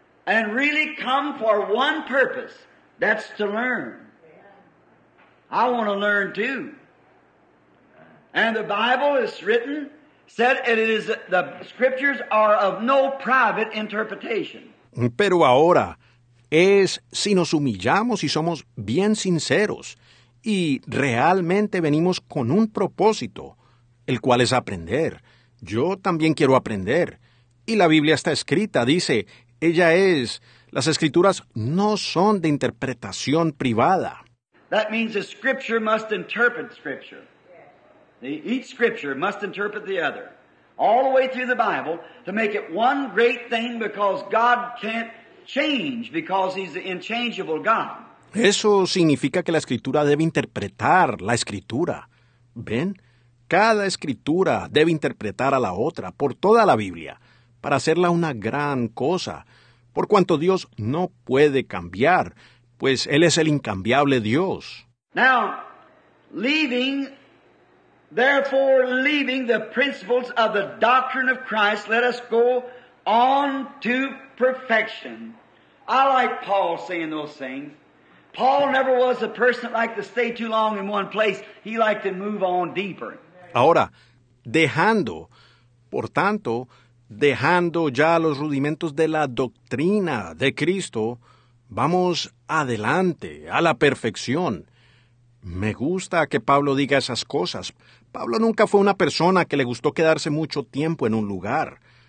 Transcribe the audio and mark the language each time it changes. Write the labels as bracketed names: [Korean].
[English] and really come for one purpose, that's to learn. I want to learn too. And the Bible is written, said it is, the scriptures are of no private interpretation. [Spanish] Pero ahora, es si nos humillamos y somos bien sinceros, y realmente venimos con un propósito, el cual es aprender. Yo también quiero aprender. Y la Biblia está escrita, dice, ella es, las escrituras no son de interpretación privada. [English] That means the scripture must interpret scripture. Each scripture must interpret the other, all the way through the Bible, to make it one great thing because God can't change because He's the unchangeable God. [Spanish] Eso significa que la escritura debe interpretar la escritura. ¿Ven? Cada escritura debe interpretar a la otra por toda la Biblia para hacerla una gran cosa, por cuanto Dios no puede cambiar, pues Él es el incambiable Dios. [English] Now, leaving... Therefore, leaving the principles of the doctrine of Christ, let us go on to perfection. I like Paul saying those things. Paul never was a person that liked to stay too long in one place. He liked to move on deeper. [Spanish] Ahora, dejando, por tanto, dejando ya los rudimentos de la doctrina de Cristo, vamos adelante a la perfección. Me gusta que Pablo diga esas cosas. Pablo nunca fue una persona que le gustó quedarse mucho tiempo en un lugar.